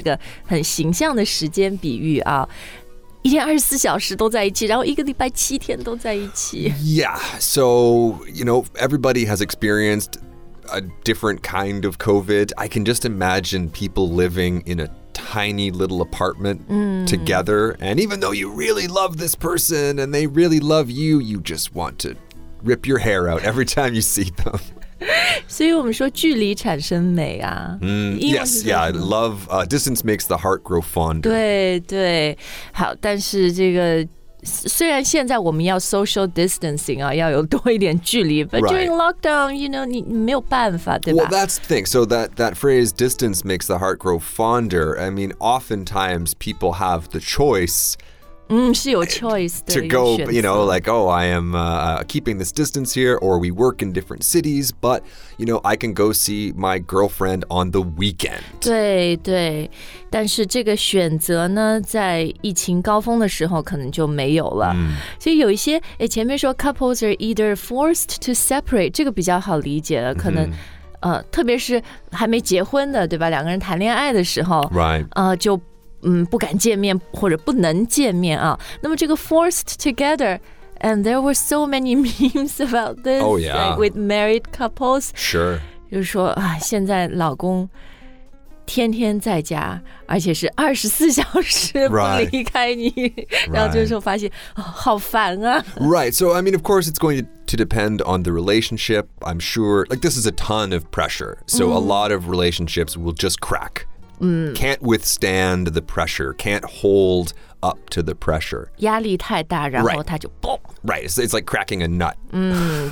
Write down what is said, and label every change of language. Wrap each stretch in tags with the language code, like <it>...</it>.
<zh>这个很形象的时间比喻啊，一天二十四小时都在一起，然后一个礼拜七天都在一起。</zh> <en>Yeah, so, you know, everybody has experienced a different kind of COVID. I can just imagine people living in a tiny little apartment、together. And even though you really love this person and they really love you, you just want to... rip your hair out every time you see them.</en> <zh>所以我们说距离产生美啊。</zh> <en>Yes, yeah, love, distance makes the heart grow fonder.</en> <zh>对对，好，但是这个虽然现在我们要 social distancing 啊，要有多一点距离 but、</zh> <en>right. during lockdown, you know,</en> <zh>你没有办法，对吧？</zh> <en>Well, that's the thing. So that phrase, distance makes the heart grow fonder, I mean, oftentimes people have the choice...</en> <zh>是有 choice 的</zh> <en>To go, you know, like, oh, I am、keeping this distance here, or we work in different cities, but, you know, I can go see my girlfriend on the weekend.</en> <zh>对对，但是这个选择呢，在疫情高峰的时候可能就没有了。所以有一些，诶，前面说</zh> <en>couples are either forced to separate,</en> <zh>这个比较好理解了，可能、特别是还没结婚的，对吧？两个人谈恋爱的时候、就不敢见面或者不能见面啊。那么这个</zh> <en>forced together, and there were so many memes about this、 oh, yeah. like, with married couples. Sure.</en> <zh>就是说、啊、现在老公天天在家而且是二十四小时不离开你、</zh> <en>right.</en> <zh>然后就是发现、哦、好烦啊。</zh> <en>Right, so I mean, of course, it's going to depend on the relationship. I'm sure, like, this is a ton of pressure. So、a lot of relationships will just crack. Can't withstand the pressure, can't hold up to the pressure.</en> <zh>压力太大，然后它就</zh> <en>Right, it's like cracking a nut.</en>